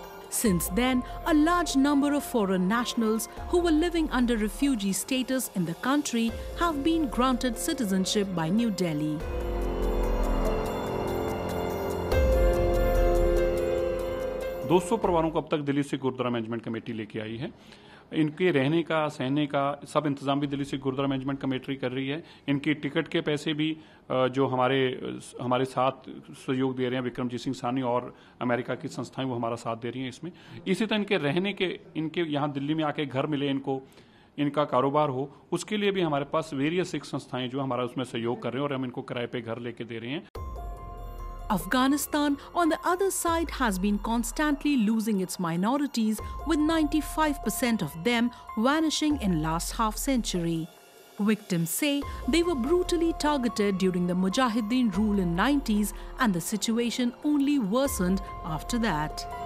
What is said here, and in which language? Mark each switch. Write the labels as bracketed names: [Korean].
[English] Since then, a large number of foreign nationals who were living under refugee status in the country have been granted citizenship by New Delhi. [Hindi] दो सौ परिवारों को अब तक दिल्ली से gurdwara management committee लेके आई है इनके रहने का सहने का सब इंतजाम भी दिल्ली से गुरुद्वारा मैनेजमेंट कमेटी कर रही है। इनकी टिकट के पैसे भी जो हमारे साथ सहयोग दे रहे हैं विक्रमजीत सिंह सानी और अमेरिका की संस्थाएं, वो हमारा साथ दे रही हैं इसमें। इसी तरह इनके रहने के, इनके यहाँ दिल्ली में आके घर मिले इनको, इनका कारोबार हो, उसके लिए भी हमारे पास वेरियस एक संस्थाएं जो हमारा उसमें सहयोग कर रहे हैं और हम इनको किराए पे घर लेके दे रहे हैं। [English] Afghanistan, on the other side, has been constantly losing its minorities, with 95% of them vanishing in last half century. Victims say they were brutally targeted during the Mujahideen rule in 90s, and the situation only worsened after that.